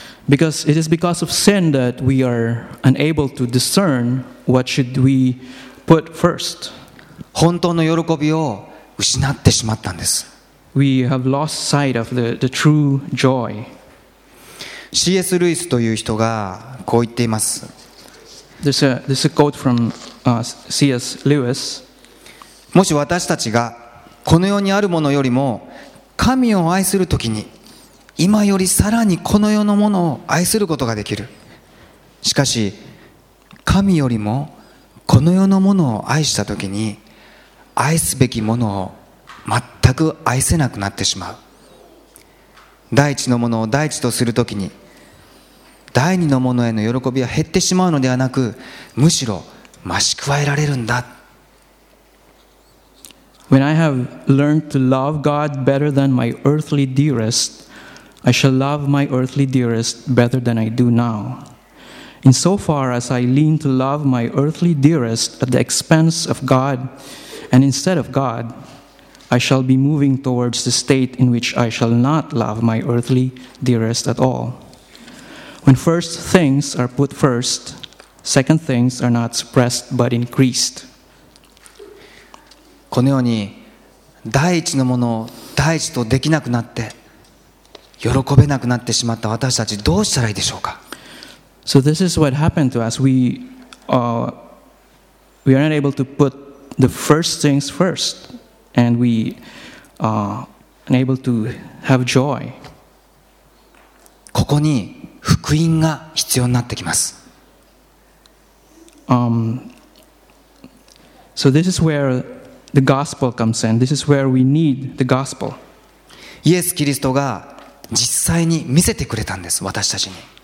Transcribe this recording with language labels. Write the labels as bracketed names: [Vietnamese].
[English] Because it is because of sin that we are unable to discern what should we put first. [Japanese] 本当の喜びを失ってしまったんです。 [English] We have lost sight of the true joy. [Japanese] C.S. ルイスという人がこう言っています。 [English] There's a quote from C.S. Lewis. [Japanese] もし私たちがこの世にあるものよりも神を愛するときに今よりさらにこの世のものを愛することができる。しかし神よりもこの世のものを愛したときに愛すべきものを全く愛せなくなってしまう。大地のものを大地とするときに第二のものへの喜びは減ってしまうのではなく、むしろ増し加えられるんだ。 [English] When I have learned to love God better than my earthly dearestI shall love my earthly dearest better than I do now. In so far as I lean to love my earthly dearest at the expense of God and instead of God, I shall be moving towards the state in which I shall not love my earthly dearest at all. When first things are put first, second things are not suppressed but increased. [Japanese] このように第一のものを第一とできなくなって喜べなくなってしまった私たち、どうしたらいいでしょうか。 [English] So this is what happened to us. We are not able to put the first things first, and we are unable to have joy. [Japanese] ここに福音が必要になってきます。 [English] So this is where the gospel comes in. This is where we need the gospel. [Japanese] イエス・キリストが実際に見せてくれたんです、私たちに。